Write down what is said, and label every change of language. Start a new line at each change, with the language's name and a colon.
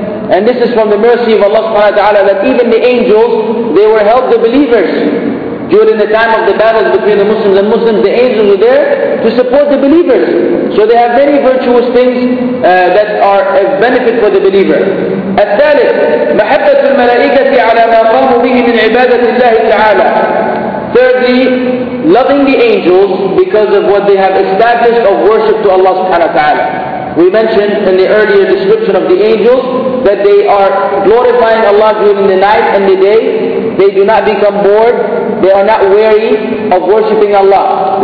English: And this is from the mercy of Allah subhanahu wa ta'ala that even the angels, they were help the believers. During the time of the battles between the Muslims and Muslims, the angels were there to support the believers. So they have many virtuous things that are a benefit for the believer.
Arabic: الثالث محبة الملائكة على ما قاموا به من عبادة الله تعالى.
English: Thirdly, loving the angels because of what they have established of worship to Allah subhanahu wa ta'ala. We mentioned in the earlier description of the angels that they are glorifying Allah during the night and the day. They do not become bored. They are not weary of worshipping Allah.